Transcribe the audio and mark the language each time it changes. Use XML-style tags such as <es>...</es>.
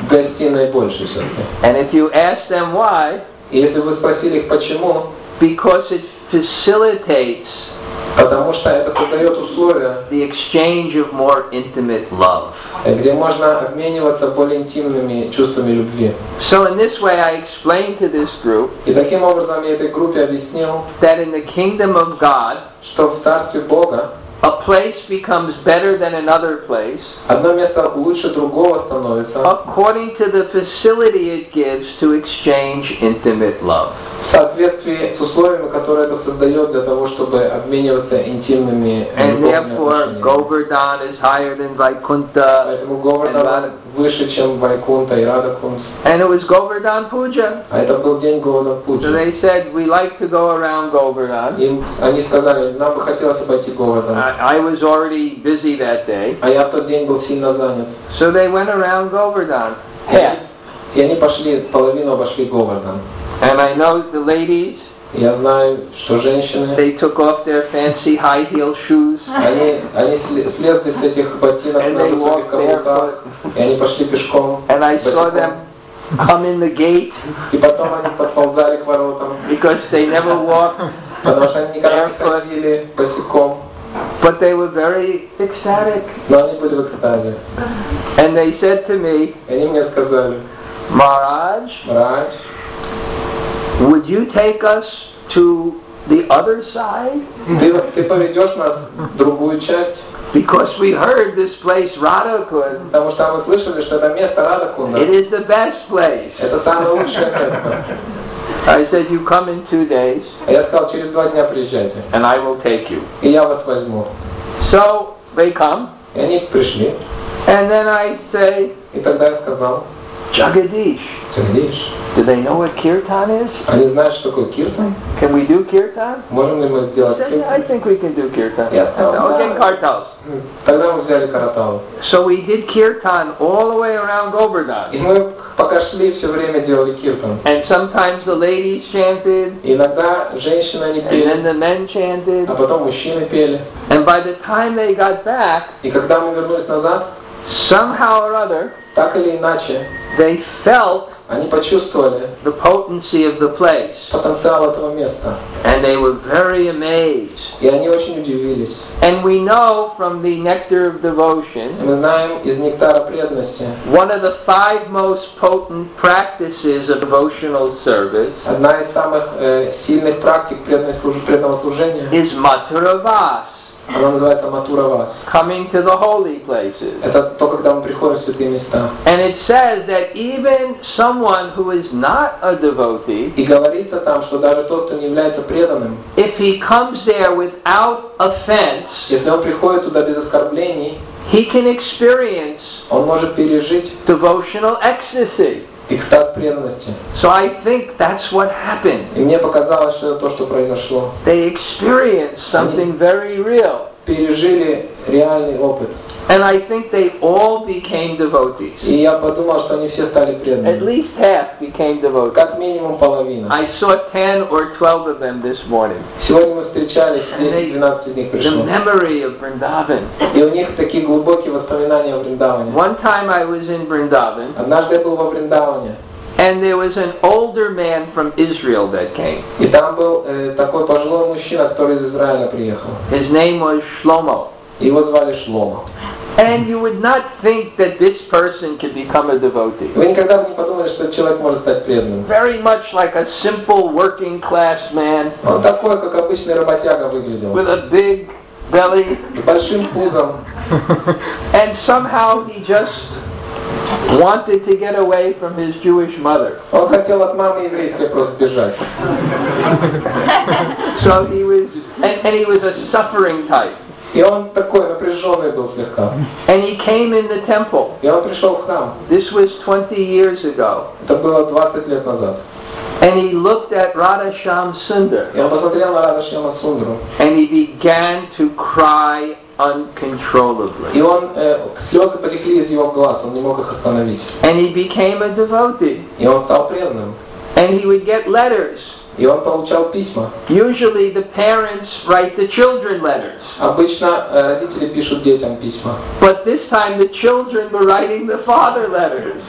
<ru>Гостиной больше все-таки.</ru> <en>And if you ask them why.</en> <ru>Если вы спросили их почему.</ru> <en>Because it facilitates.</en> <ru>Потому что это создает условия.</ru> <en>The exchange of more intimate love.</en> <ru>Где можно обмениваться более интимными чувствами любви.</ru> <en>So in this way, I explained to this group.</en> <ru>И таким образом я этой группе объяснил.</ru> <en>That in the kingdom of God.</en> <ru>Что в царстве Бога.</ru> <en>A place becomes better than another place.</en> <ru>Одно место лучше другого становится.</ru> <en>According to the facility it gives to exchange intimate love.</en> <ru>В соответствии с условиями, которые это создает для того, чтобы обмениваться интимными.</ru> <en>And therefore, Govardhan is higher than Vaikuntha.</en> <ru>Поэтому Govardhan выше, чем Vaikuntha и Radhakunda.</ru> <en>And it was Govardhan Puja.</en> <ru>А это был день Govardhan Puja.</ru> <en>So they said, we like to go around Govardhan.</en> <ru>Им они сказали, нам бы хотелось обойти Govardhan.</ru> <en>I was already busy that day.</en> <ru>А я тот день был сильно занят.</ru> <en>So they went around Govardhan.</en> <ru>И они пошли, половину обошли Govardhan.</ru> <en>And I know the ladies.</en> <ru>Я знаю, что женщины.</ru> <en>They took off their fancy high heel shoes.</en> <ru>Они слезли с этих ботинок на высоких каблуках. И они пошли пешком.</ru> <en>And I saw them come in the gate.</en> <ru>И потом они подползали к воротам.</ru> <en>Because they never walked.</en> <ru>Потому что они никогда не ходили босиком.</ru> <en>But they were very ecstatic.</en> <ru>Но они были в экстазе.</ru> <en>And they said to me.</en> <ru>Они мне сказали.</ru> <en>Maharaj. Would you take us to the other side?</en> <ru>Ты поведешь нас в другую часть?</ru> <en>Because we heard this place Radhakund.</en> <ru>Потому что мы слышали, что это место Радхакунда.</ru> <en>It is the best place.</en> <ru>Это самое лучшее место.</ru> <en>I said, you come in 2 days.</en> <ru>Я сказал, через 2 дня приезжайте.</ru> <en>And I will take you.</en> <ru>И я вас возьму.</ru> <en>So they come.</en> <ru>И они пришли.</ru> <en>And then I say.</en> <ru>И тогда я сказал.</ru> <en>Jagadish. Do they know what kirtan is?</en> <ru>Они знают, что такое kirtan?</ru> <en>Can we do kirtan?</en> <ru>Можем ли мы сделать kirtan?</ru> <en>Said, yeah, I think we can do kirtan. Yes, yeah, okay, kartal.</en> <ru>Тогда мы взяли картал.</ru> <en>So we did kirtan all the way around Govardhan.</en> <ru>И мы пока шли все время делали kirtan.</ru> <en>And sometimes the ladies chanted.</en> <ru>Иногда женщины они пели.</ru> <en>And then the men chanted.</en> <ru>А потом мужчины пели.</ru> <en>And by the time they got back.</en> <ru>И когда мы вернулись назад.</ru> <en>Somehow or other.</en> <ru>Так или иначе.</ru> <en>They felt.</en> <ru>Они почувствовали</ru> <en>the potency of the place.</en> <ru>Потенциал этого места.</ru> <en>And they were very amazed.</en> <ru>И они очень удивились.</ru> <en>And we know from the nectar of devotion.</en> <ru>Мы знаем из нектара преданности.</ru> <en>One of the 5 most potent practices of devotional service.</en> <ru>Одна из самых сильных практик преданного служения.</ru> <en>Is Mathura Vas.</en> <ru>Она называется Mathura Vas.</ru> <en>Coming to the holy places.</en> <ru>Это то, когда мы приходим в святые места.</ru> <en>And it says that even someone who is not a devotee.</en> <ru>И говорится там, что даже тот, кто не является преданным.</ru> <en>If he comes there without offense.</en> <ru>Если он приходит туда без оскорблений.</ru> <en>He can experience.</en> <ru>Он может пережить.</ru> <en>Devotional ecstasy.</en> <ru>Экстаз преданности.</ru> <en>So I think that's what happened.</en> <ru>И мне показалось, что это то, что произошло.</ru> <en>They experienced something very real.</en> <ru>Пережили реальный опыт.</ru> <en>And I think they all became devotees.</en> <ru>И я подумал, что они все стали преданными.</ru> <en>At least half became devotees.</en> <ru>Как минимум половина.</ru> <en>I saw 10 or 12 of them this morning.</en> <ru>Сегодня мы встречались, 10-12 из них пришло.</ru> <en>The memory of Vrindavan.</en> <ru>И у них такие глубокие воспоминания о Вриндаване.</ru> <en>One time I was in Vrindavan.</en> <ru>Однажды я был во Вриндаване.</ru> <en>And there was an older man from Israel that came.</en> <ru>И там был такой пожилой мужчина, который из Израиля приехал.</ru> <en>His name was Shlomo.</en> <ru>Его звали Шломо.</ru> <en>And you would not think that this person could become a devotee.</en> <ru>Вы никогда бы не подумали, что человек может стать преданным.</ru> <en>Very much like a simple working class man.</en> <ru>Он такой, как обычный работяга выглядел.</ru> <en>With a big belly.</en> <ru>С большим пузом.</ru> <en>And somehow he just wanted to get away from his Jewish mother.</en> <ru>Он хотел от мамы еврейской просто сбежать.</ru> <en>So he was And he was a suffering type.</en> <ru>И он такой напряженный был слегка.</ru> <en>And he came in the temple.</en> <ru>И он пришел к нам.</ru> <en>This was 20 years ago.</en> <ru>Это было 20 лет назад.</ru> <en>And he looked at Radha Shyam Sundar.</en> <ru>И он посмотрел на Радха Шьяма Сундару.</ru> <en>And he began to cry uncontrollably.</en> <ru>И он слезы потекли из его глаз. Он не мог их остановить.</ru> <en>And he became a devotee.</en> <ru>И он стал преданным.</ru> <en>And he would get letters.</en> <ru>И он получал письма.</ru> <en>Usually the parents write the children letters.</en> <ru>Обычно родители пишут детям письма.</ru> <en>But this time the children were writing the father letters.</en>